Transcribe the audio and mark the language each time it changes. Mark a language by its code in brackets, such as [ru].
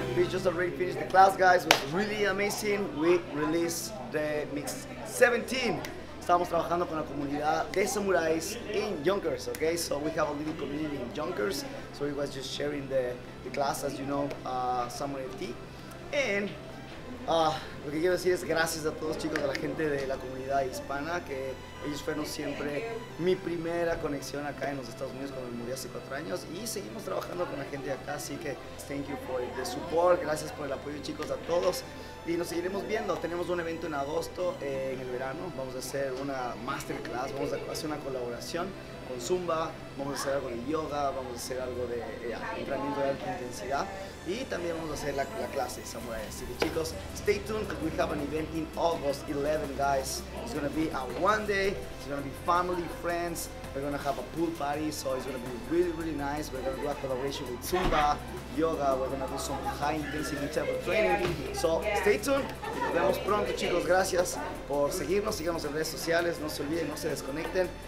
[en] Just already finished the class, guys. It was really amazing. We released the mix 17. [es] Estamos trabajando con la comunidad de samuráis [en] in Yonkers, [es] okay? [en] So we have a little community in Yonkers. So we was just sharing the class, as you know, Samurai FT. [es] And lo que quiero decir es gracias a todos, chicos, a la gente de la comunidad hispana, que ellos fueron siempre mi primera conexión acá en los Estados Unidos cuando me mudé hace 4 años, y seguimos trabajando con la gente de acá, así que [en] thank you for the support, [es] gracias por el apoyo, chicos, a todos, y nos seguiremos viendo. Tenemos un evento en agosto, en el verano, vamos a hacer una masterclass, vamos a hacer una colaboración con Zumba, vamos a hacer algo de yoga, vamos a hacer algo de entrenamiento de alta intensidad, y también vamos a hacer la clase de Samurai. Así que, chicos, [en] stay tuned, because we have an event in August 11, guys. It's gonna be a one day, it's gonna be family, friends, we're gonna have a pool party, so it's gonna be really, really nice. We're gonna do a collaboration with Zumba, yoga, we're gonna do some high intensity type of training. So stay tuned, [es] nos vemos pronto, chicos, gracias por seguirnos, sigamos en redes sociales, no se olviden, no se desconecten.